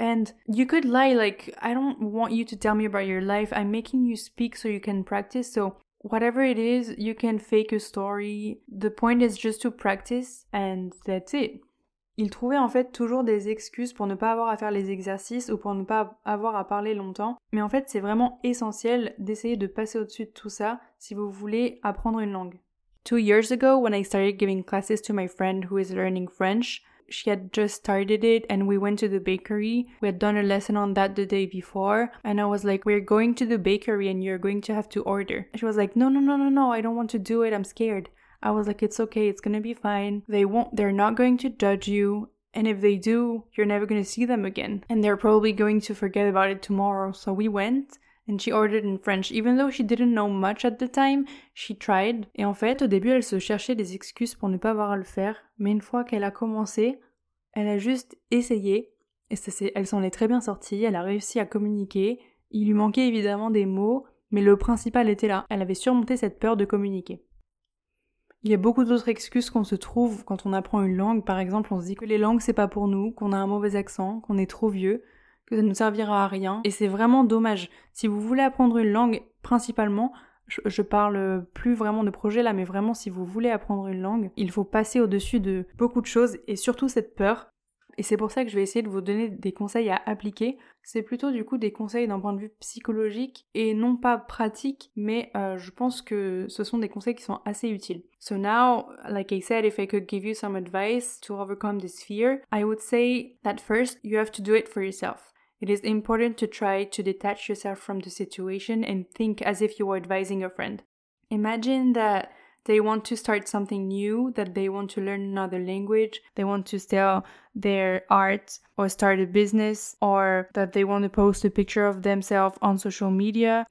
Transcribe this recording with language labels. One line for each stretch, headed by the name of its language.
English: And you could lie, like « I don't want you to tell me about your life, I'm making you speak so you can practice », so whatever it is, you can fake a story. The point is just to practice and that's it.
French: Il trouvait en fait toujours des excuses pour ne pas avoir à faire les exercices ou pour ne pas avoir à parler longtemps. Mais en fait, c'est vraiment essentiel d'essayer de passer au-dessus de tout ça si vous voulez apprendre une langue.
English: 2 years ago, when I started giving classes to my friend who is learning French, she had just started it and we went to the bakery. We had done a lesson on that the day before. And I was like, we're going to the bakery and you're going to have to order. She was like, no, I don't want to do it, I'm scared. I was like, it's okay, it's gonna be fine. They're not going to judge you. And if they do, you're never gonna see them again. And they're probably going to forget about it tomorrow. So we went and she ordered in French. Even though she didn't know much at the time, she tried.
French: Et en fait, au début, elle se cherchait des excuses pour ne pas avoir à le faire. Mais une fois qu'elle a commencé, elle a juste essayé. Et ça, elle s'en est très bien sortie, elle a réussi à communiquer. Il lui manquait évidemment des mots, mais le principal était là. Elle avait surmonté cette peur de communiquer. Il y a beaucoup d'autres excuses qu'on se trouve quand on apprend une langue. Par exemple, on se dit que les langues, c'est pas pour nous, qu'on a un mauvais accent, qu'on est trop vieux, que ça ne servira à rien, et c'est vraiment dommage. Si vous voulez apprendre une langue, principalement, je parle plus vraiment de projet là, mais vraiment si vous voulez apprendre une langue, il faut passer au-dessus de beaucoup de choses, et surtout cette peur. Et c'est pour ça que je vais essayer de vous donner des conseils à appliquer. C'est plutôt du coup des conseils d'un point de vue psychologique et non pas pratique, mais je pense que ce sont des conseils qui sont assez utiles.
English: So now, like I said, if I could give you some advice to overcome this fear, I would say that first, you have to do it for yourself. It is important to try to detach yourself from the situation and think as if you were advising a friend. Imagine that they want to start something new, that they want to learn another language, they want to sell their art or start a business, or that they want to post a picture of themselves on social media.